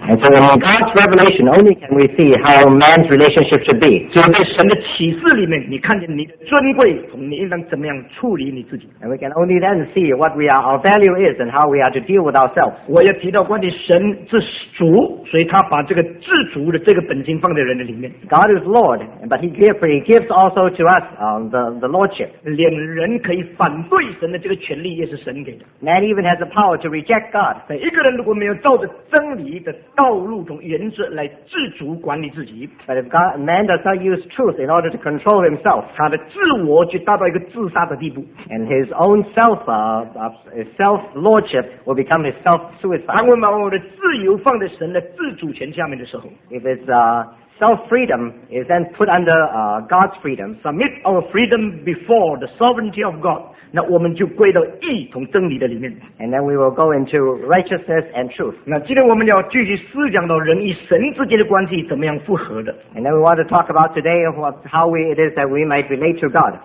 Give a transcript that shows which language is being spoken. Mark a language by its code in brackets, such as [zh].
[en] And so in God's revelation, only can we see how man's relationship should be. [zh] 只有在神的启示里面，你看见你的尊贵，你应当怎么样处理你自己。 [en] And we can only then see what we are, our value is, and how we are to deal with ourselves. [zh] 我也提到关于神是主，所以他把这个自主的这个本金放在人的里面。 [en] God is Lord, but He gives also to us, the lordship. [zh] 连人可以反对神的这个权利也是神给的。 [en] Man even has the power to reject God. [zh] 每一个人如果没有照着真理的道路中原则来自主管理自己， [en] but if God, man does not use truth in order to control himself, [zh] 他的自我就达到一个自杀的地步。 [en] And his own self, self lordship will become his self suicide. [zh] 当我们把我的自由放在神的自主权下面的时候， [en] if it's self-freedom is then put under God's freedom. Submit our freedom before the sovereignty of God. [zh] 那我们就归到义同真理的里面。 [en] And then we will go into righteousness and truth. [zh] 那今天我们要继续思想到人与神之间的关系怎么样复合的。 [en] And then we want to talk about today how it is that we might relate to God.